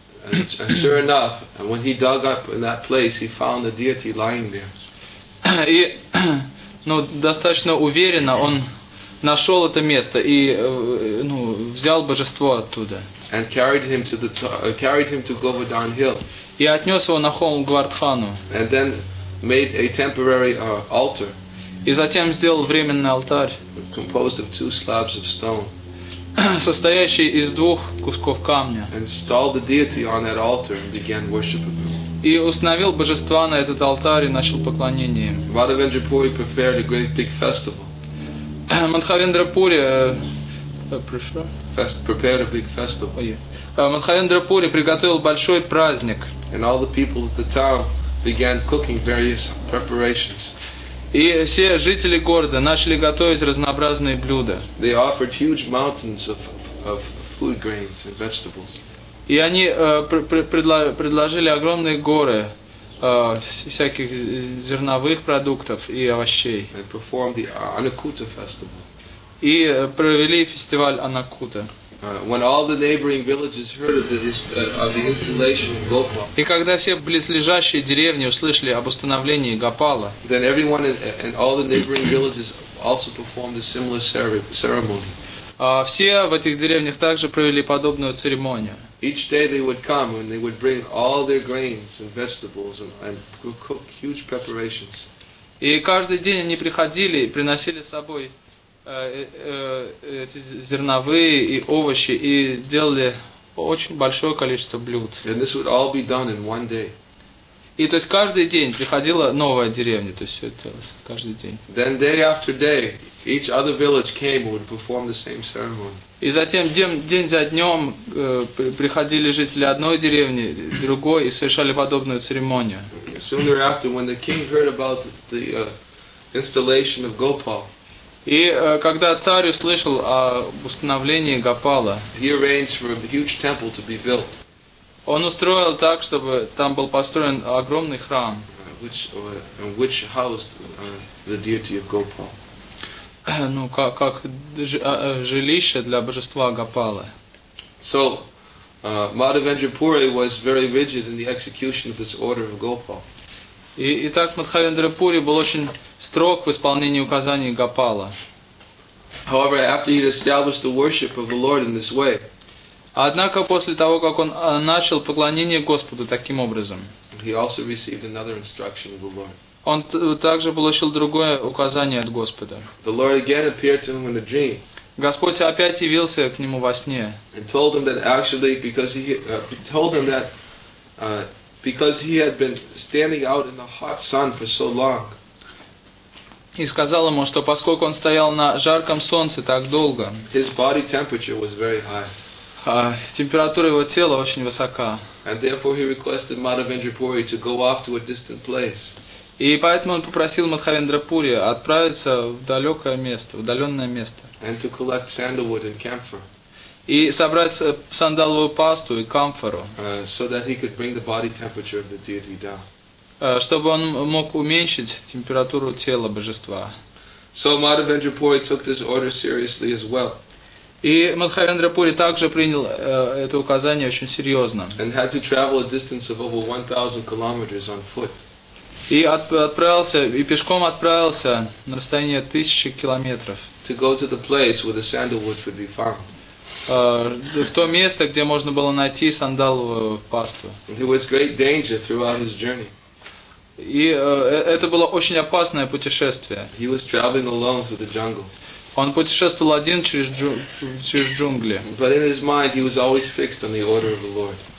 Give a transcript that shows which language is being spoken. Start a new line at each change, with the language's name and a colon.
English: And sure enough, when he dug up in that place, he found the deity lying there.
Russian: И, ну, достаточно уверенно он нашел это место и, ну, взял божество оттуда.
English: And carried him to Govardhan Hill.
Russian: И отнес его на холм Говардхану.
English: And then made a temporary altar.
Russian: И затем сделал временный алтарь.
English: Composed of two slabs of stone.
Russian: Состоящий из двух кусков камня.
English: And installed the deity on that altar and began worshiping him.
Russian: И установил божества на этот алтарь и начал поклонение.
English: Madhavendra Puri prepared a great big festival.
Russian: Мадхавендра Пури
English: prepared a big festival.
Russian: Мадхавендра Пури приготовил большой праздник.
English: And all the people of the town began cooking various preparations.
Russian: И все жители города начали готовить разнообразные блюда.
English: They offered huge mountains of food grains and vegetables.
Russian: И они предложили огромные горы всяких зерновых продуктов и овощей.
English: And performed the Anakuta festival.
Russian: И провели фестиваль Анакута.
English: When all the neighboring villages heard of the installation of Gopala.
Russian: И когда все близлежащие деревни услышали об установлении Гопала.
English: Then everyone and all the neighboring villages also performed a similar ceremony.
Russian: Все в этих деревнях также провели подобную церемонию.
English: Each day they would come and they would bring all their grains and vegetables and cook huge preparations.
Russian: И каждый день они приходили и приносили с собой эти зерновые и овощи и делали очень большое количество блюд.
English: And this would all be done in one day.
Russian: И то есть каждый день приходила новая деревня, то есть все это делалось каждый день.
English: Then day after day, each other village came and would perform the same ceremony.
Russian: И затем день за днем приходили жители одной деревни, другой и совершали подобную церемонию.
English: Soon thereafter, when the king heard about the installation of Gopal.
Russian: И когда царь услышал о установлении Гопала,
English: he arranged for a huge temple to be built.
Russian: Он устроил так, чтобы там был построен огромный храм,
English: which housed the deity of Gopal.
Russian: Ну, как жилище для божества Гопала.
English: So, Madhavendra Puri was very rigid in the execution of this order of Gopal.
Russian: И так Мадхавендра Пури был очень строг в исполнении указаний Гопала.
English: However, after he established the worship of the Lord in this way,
Russian: однако после того, как он начал поклонение Господу таким образом,
English: he also received another instruction of the Lord.
Russian: Он также получил другое указание от Господа.
English: The Lord again appeared to him in a dream.
Russian: Господь опять явился к нему во сне.
English: And told him that actually, because he told him that because he had been standing out in the hot sun for so long.
Russian: И сказал ему, что поскольку он стоял на жарком солнце так долго,
English: his body temperature was very high.
Russian: Температура его тела очень высока.
English: And therefore he requested Madhavendra Puri to go off to a distant place.
Russian: И поэтому он попросил Мадхавендра Пури отправиться в далекое место, в удаленное место.
English: And to collect sandalwood and camphor.
Russian: И собрать сандаловую пасту и камфору.
English: So that he could bring the body temperature of the deity down.
Russian: Чтобы он мог уменьшить температуру тела божества.
English: So Madhavendra Puri took this order seriously as well.
Russian: И Мадхавендра Пури также принял это указание очень серьезно.
English: And had to travel a distance of over 1,000 kilometers on foot.
Russian: И отправился, и пешком отправился на расстояние 1000 километров.
English: To go to the place where the sandalwood could be found.
Russian: В то место, где можно было найти сандаловую пасту.
English: There was great danger throughout his journey.
Russian: И это было очень опасное путешествие.
English: He was traveling alone through the jungle.
Russian: Он путешествовал один через джунгли.
English: But in his mind, he was always fixed on the order of the Lord.